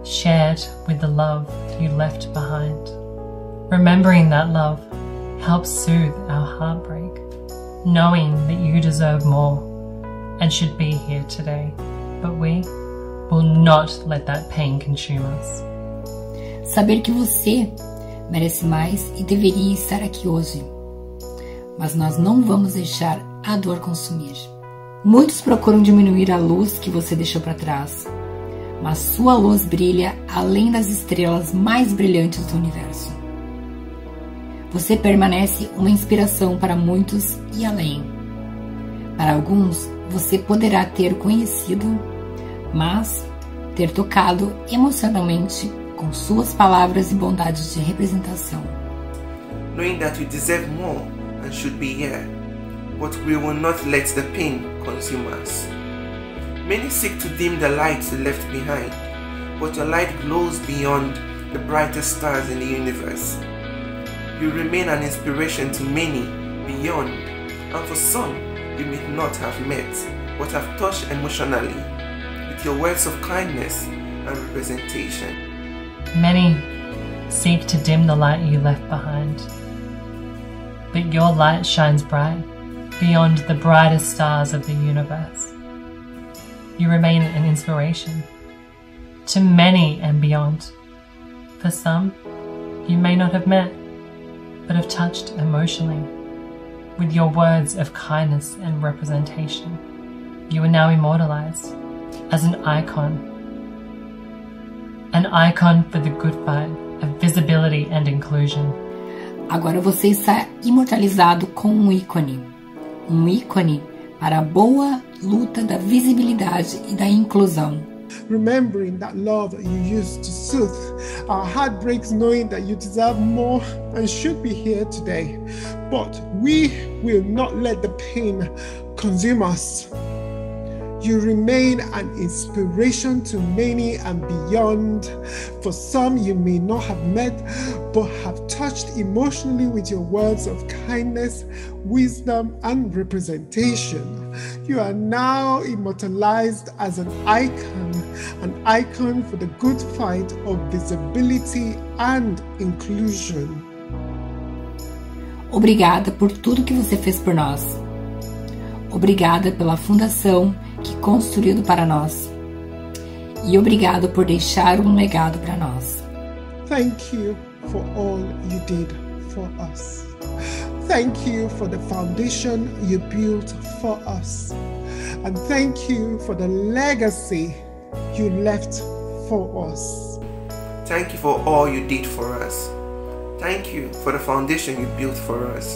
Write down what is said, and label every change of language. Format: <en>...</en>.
<en>Shared with the love you left behind. Remembering that love helps soothe our heartbreak, knowing that you deserve more and should be here today. But we will not let that pain consume us.</en> <pt>Saber que você merece mais e deveria estar aqui hoje, mas nós não vamos deixar a dor consumir. Muitos procuram diminuir a luz que você deixou para trás, mas sua luz brilha além das estrelas mais brilhantes do universo. Você permanece uma inspiração para muitos e além. Para alguns, você poderá ter conhecido, mas ter tocado emocionalmente com suas palavras e bondades de representação.</pt> <en>Knowing that we deserve more and should be here, but we will not let the pain consume us. Many seek to dim the light left behind, but your light glows beyond the brightest stars in the universe. You remain an inspiration to many beyond, and for some you may not have met, but have touched emotionally with your words of kindness and representation. Many seek to dim the light you left behind, but your light shines bright beyond the brightest stars of the universe. You remain an inspiration to many and beyond. For some, you may not have met, but have touched emotionally with your words of kindness and representation. You are now immortalized as an icon for the good fight of visibility and inclusion.</en> <pt>Agora você está imortalizado com um ícone para a boa luta da visibilidade e da inclusão.</pt> <en>Remembering that love you used to soothe our heartbreaks, knowing that you deserve more and should be here today, but we will not let the pain consume us. You remain an inspiration to many and beyond. For some you may not have met, but have touched emotionally with your words of kindness, wisdom, and representation. You are now immortalized as an icon for the good fight of visibility and inclusion.</en> <pt>Obrigada por tudo que você fez por nós. Obrigada pela fundação que construído para nós. E obrigado por deixar um legado para nós.</pt> <en>Thank you for all you did for us. Thank you for the foundation you built for us. And thank you for the legacy you left for us. Thank you for all you did for us. Thank you for the foundation you built for us.</en>